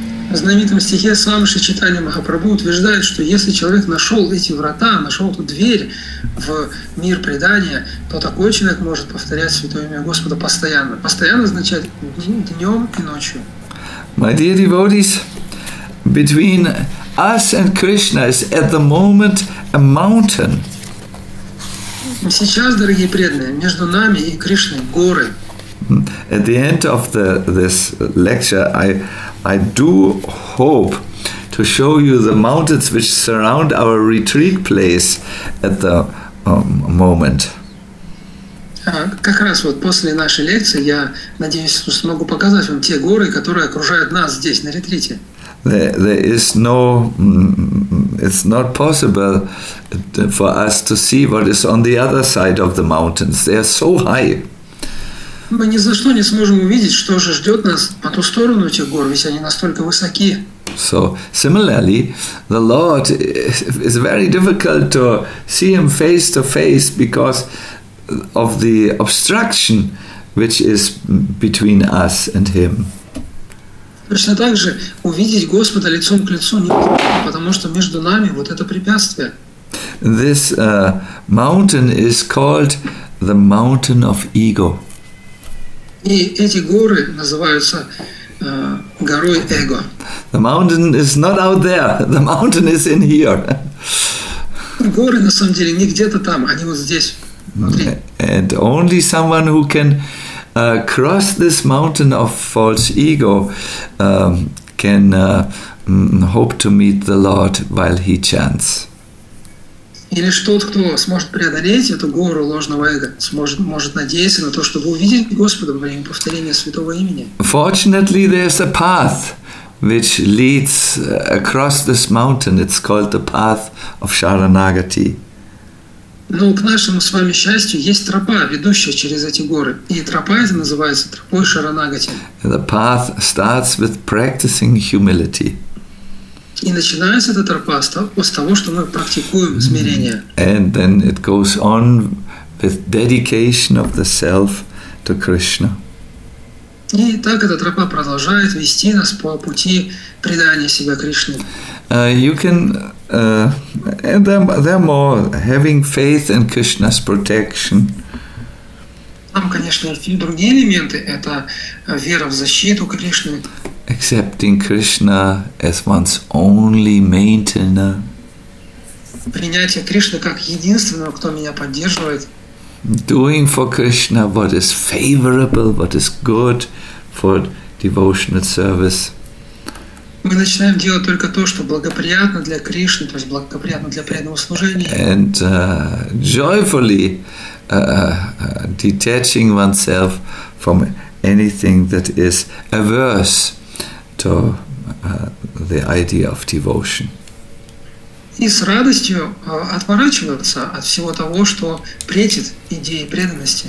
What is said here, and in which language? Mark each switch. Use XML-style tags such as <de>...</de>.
<ru>В знаменитом стихе Свами Шри Чайтанья Махапрабху утверждает, что если человек нашел эти врата, нашел эту дверь в мир предания, то такой человек может повторять Святое Имя Господа постоянно. Постоянно означает днем и ночью.</ru> <en>My dear devotees, between us and Krishna is at the moment a mountain.</en> <ru>Сейчас, дорогие преданные, между нами и Кришной горы.</ru> <en>At the end of this lecture, I do hope to show you the mountains which surround our retreat place at the moment.</en> <ru>Как раз вот после нашей лекции я надеюсь, что смогу показать вам те горы, которые окружают нас здесь на ретрите.</ru> <en>There is no, it's not possible for us to see what is on the other side of the mountains. They are so high.</en> <ru>Мы ни за что не сможем увидеть, что же ждет нас по ту сторону этих гор, ведь они настолько высоки.</ru> <en>So similarly, the Lord is very difficult to see him face to face because of the obstruction which is between us and him.</en> <ru>Точно так же увидеть Господа лицом к лицу невозможно, потому что между нами вот это препятствие.</ru> <en>This mountain is called the mountain of ego.</en> <ru>И эти горы называются горой эго.</ru> <en>The mountain is not out there. The mountain is in here.</en> <ru>Горы на самом деле не где-то там, они вот здесь внутри.</ru> <en>And only someone who can cross this mountain of false ego can hope to meet the Lord while he chants.</en> <ru>И лишь тот, кто сможет преодолеть эту гору ложного эго, может надеяться на то, чтобы увидеть Господа во время повторения святого имени.</ru> <en>Fortunately, there's a path which leads across this mountain. It's called the path of Sharanagati.</en> <ru>Но к нашему с вами счастью есть тропа, ведущая через эти горы, и тропа эта называется тропой Шаранагати.</ru> <en>The path starts with practicing humility.</en> <ru>И начинается эта тропа с того, что мы практикуем смирение.</ru> <en>And then it goes on with dedication of the self to Krishna.</en> <ru>И так эта тропа продолжает вести нас по пути предания себя Кришне.</ru> <en>You can and there more having faith in Krishna's protection.</en> <ru>Там, конечно, другие элементы. Это вера в защиту Кришны.</ru> <en>Accepting Krishna as one's only maintainer.</en> <ru>Принятие Кришны как единственного, кто меня поддерживает.</ru> <en>Doing for Krishna what is favorable, what is good for devotional service.</en> <ru>Мы начинаем делать только то, что благоприятно для Кришны, то есть благоприятно для преданного служения.</ru> <en>And joyfully detaching oneself from anything that is averse to the idea of devotion.</en> <ru>И с радостью отворачиваться от всего того, что претит идее преданности.</ru>